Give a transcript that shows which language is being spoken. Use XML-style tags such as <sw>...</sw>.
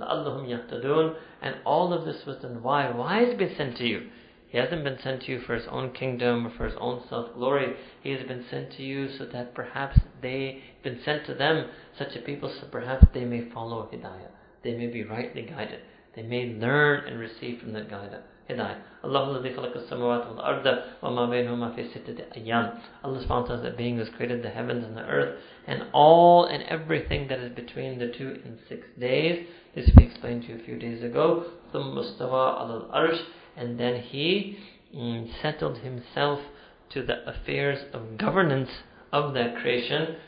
<ar>Allahum yahtadun.</ar> <en>And all of this was done. Why? Why has he been sent to you? He hasn't been sent to you for his own kingdom or for his own self-glory. He has been sent to you so that perhaps they, been sent to them, such a people, so perhaps they may follow hidayah. They may be rightly guided. They may learn and receive from that guidance. Hidayah.</en> <ar>Allah الذي خلق السماوات والأرض وما بينهما في ستة أيام.</ar> <en>Allah subhanahu wa ta'ala, that being has created the heavens and the earth and all and everything that is between the two in 6 days. This we explained to you a few days ago.</en> <ar>ثم استوى على الأرش.</ar> <en>And then he settled himself to the affairs of governance of that creation.</en>